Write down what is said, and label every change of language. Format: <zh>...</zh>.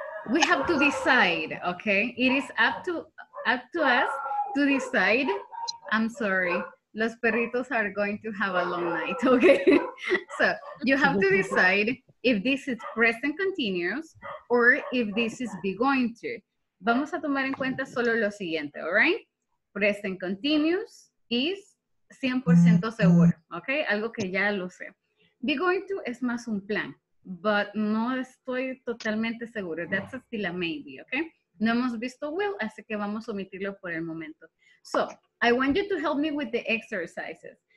<en>We have to decide, okay? It is up to us to decide. I'm sorry,</en> <es>los perritos</es> <en>are going to have a long night, okay? So you have to decide if this is present continuous or if this is be going to.</en> <es>Vamos a tomar en cuenta solo lo siguiente,</es> <en>all right? Present continuous is 100% seguro, okay?</en> <es>Algo que ya lo sé. Be going to es más un plan,</es> <en>but</en> <es>no estoy totalmente seguro.</es> <en>That's still a maybe, okay?</en> <es>No hemos visto will, así que vamos a omitirlo por el momento.</es> <en>So, I want you to help me with the exercises.</en>